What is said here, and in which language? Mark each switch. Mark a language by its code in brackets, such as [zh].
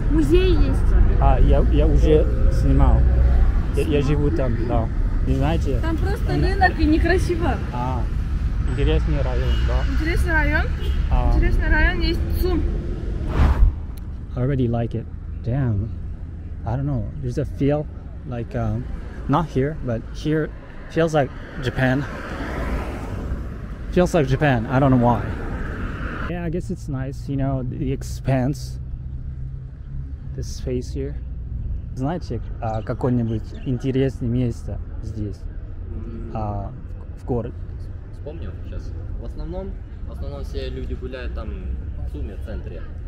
[ru] Музей есть. Я уже снимал. Я живу там, да. Не знаете? Там просто рынок и некрасиво. А, интересный район, да? Интересный район. Интересный район, есть ЦУМ. [en] I already like it. Damn. I don't know. There's a feel like, not here, but here feels like Japan. Feels like Japan. I don't know why. Yeah, I guess it's nice, you know, the expanse. This space here. [ru] Знаете, какое-нибудь интересное место здесь, в городе? Вспомню сейчас. В основном все люди гуляют там в ЦУМе, в центре.